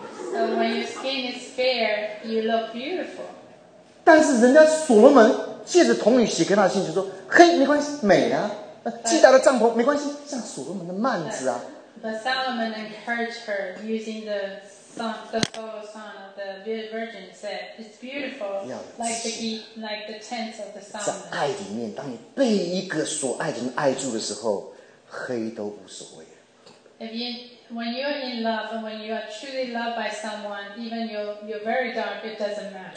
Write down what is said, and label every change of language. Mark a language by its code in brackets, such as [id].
[en] ？So when your skin is fair, you look beautiful. [zh] 但是人家所罗门借着童女写给他的信，就说：“黑没关系，美啊，基达的帐篷没关系，像所罗门的幔子啊。” [en] But Solomon encouraged her using the photo song of the virgin said, "It's beautiful, like the tents of the Solomon." [zh] 在爱里面，当你被一个所爱的人爱住的时候，黑都无所谓。 [en] If you, when you're in love and when you are truly loved by someone, even you're very dark, it doesn't matter.